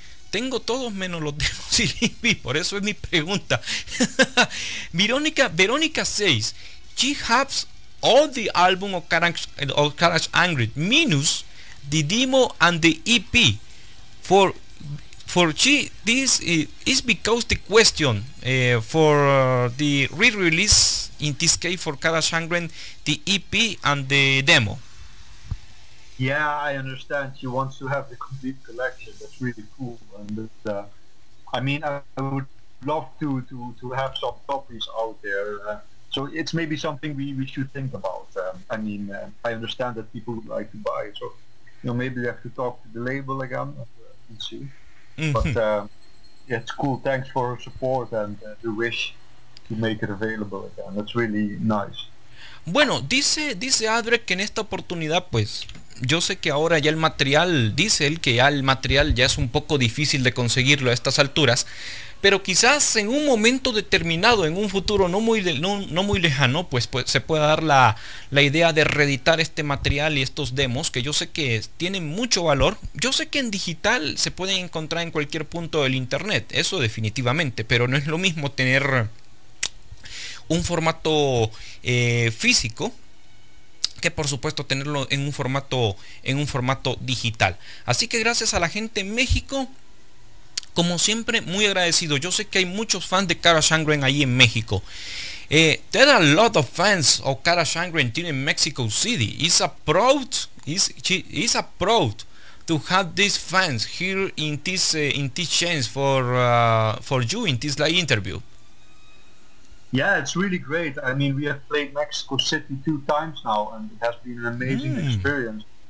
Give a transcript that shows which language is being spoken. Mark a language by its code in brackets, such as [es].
[es] Tengo todos menos los demos y por eso es mi pregunta. [en] Verónica says she has all the album of Carach Angren minus the demo and the EP. For she, this is because the question for the re-release, in this case for Carach Angren, the EP and the demo. Yeah, I understand. She wants to have the complete collection. That's really cool. And I mean, I would love to have some copies out there. So it's maybe something we should think about. I understand that people would like to buy it. So, you know, maybe we have to talk to the label again and see. Mm-hmm. But yeah, it's cool. Thanks for her support and the wish to make it available again. That's really nice. [es] Bueno, dice Adre que en esta oportunidad, pues, yo sé que ahora ya el material, dice él que ya el material ya es un poco difícil de conseguirlo a estas alturas, pero quizás en un momento determinado, en un futuro no muy lejano, pues se pueda dar la idea de reeditar este material y estos demos, que yo sé que tienen mucho valor. Yo sé que en digital se pueden encontrar en cualquier punto del internet, eso definitivamente, pero no es lo mismo tener un formato físico que, por supuesto, tenerlo en un formato digital. Así que gracias a la gente en México, como siempre, muy agradecido. Yo sé que hay muchos fans de Carach Angren ahí en México. [en] There are a lot of fans of Carach Angren in Mexico City. It's a proud to have these fans here in this chance for you in this live interview. Yeah, it's really great. I mean, we have played Mexico City 2 times now, and it has been an amazing experience.